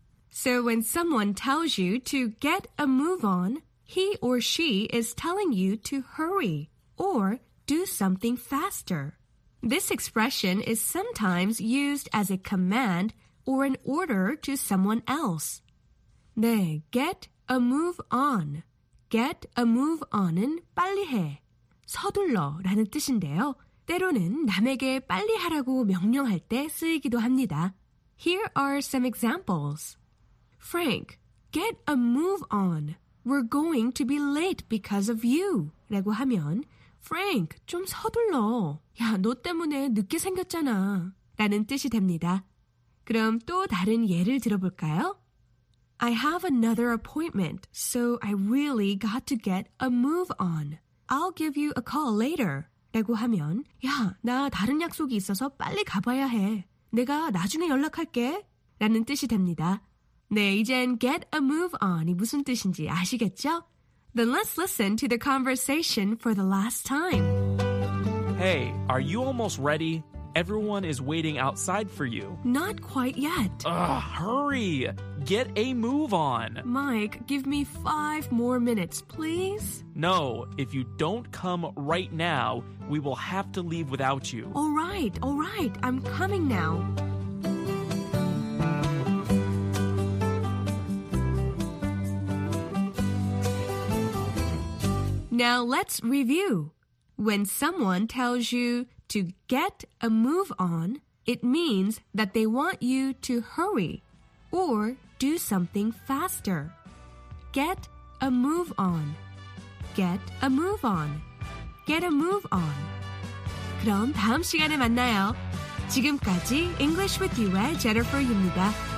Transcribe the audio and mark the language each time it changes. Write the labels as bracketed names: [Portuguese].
[English] So when someone tells you to get a move on, he or she is telling you to hurry or do something faster. This expression is sometimes used as a command or an order to someone else. 네, get a move on. Get a move on [Korean] 은 빨리 해, 서둘러 라는 뜻인데요. 때로는 남에게 빨리 하라고 명령할 때 쓰이기도 합니다. [English] Here are some examples. Frank, get a move on. We're going to be late because of you. [Korean] 라고 하면 Frank, 좀 서둘러. 야, 너 때문에 늦게 생겼잖아. 라는 뜻이 됩니다. 그럼 또 다른 예를 들어볼까요? [English] I have another appointment, so I really got to get a move on. I'll give you a call later. [Korean] 라고 하면, 야, 나 다른 약속이 있어서 빨리 가봐야 해. 내가 나중에 연락할게. 라는 뜻이 됩니다. 네, 이젠 [English] get a move on [Korean] 이 무슨 뜻인지 아시겠죠? [English] Then let's listen to the conversation for the last time. Hey, are you almost ready? Everyone is waiting outside for you. Not quite yet. Ugh, hurry! Get a move on! Mike, give me 5 more minutes, please? No, if you don't come right now, we will have to leave without you. All right, I'm coming now. 네, let's review. When someone tells you to get a move on, it means that they want you to hurry or do something faster. Get a move on. Get a move on. Get a move on. [Korean] 그럼 다음 시간에 만나요. 지금까지 English with You의 Jennifer입니다.